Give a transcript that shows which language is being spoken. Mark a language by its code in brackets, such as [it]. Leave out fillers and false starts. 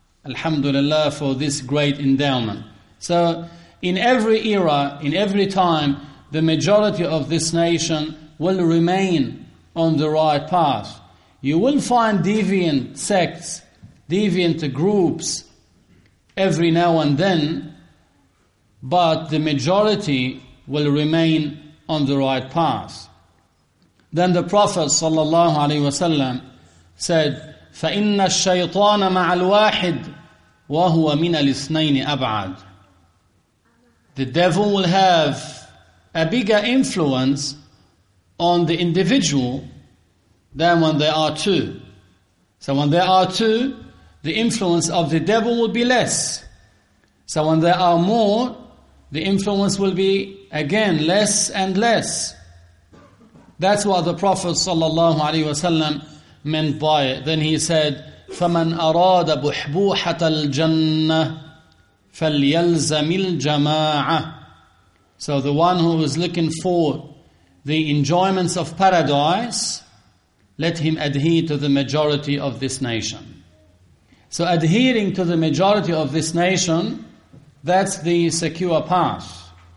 [en] Alhamdulillah for this great endowment. So in every era, in every time, the majority of this nation will remain on the right path. You will find deviant sects, deviant groups every now and then, but the majority will remain on the right path. Then the Prophet sallallahu alaihi wasallam said, [ar] فَإِنَّ الشَّيْطَانَ مَعَ الْوَاحِدِ وَهُوَ مِنَ الْإِثْنَيْنِ أَبْعَدِ. [en] The devil will have a bigger influence on the individual than when there are two. So when there are two, the influence of the devil will be less. So when there are more, the influence will be again less and less. That's what the Prophet sallallahu alaihi wasallam meant by it. Then he said, [ar] فَمَنْ أَرَادَ بُحْبُوحَةَ الْجَنَّةِ فَلْيَلْزَمِ الْجَمَاعَةِ. [en] So the one who is looking for the enjoyments of paradise, let him adhere to the majority of this nation. So adhering to the majority of this nation, that's the secure path.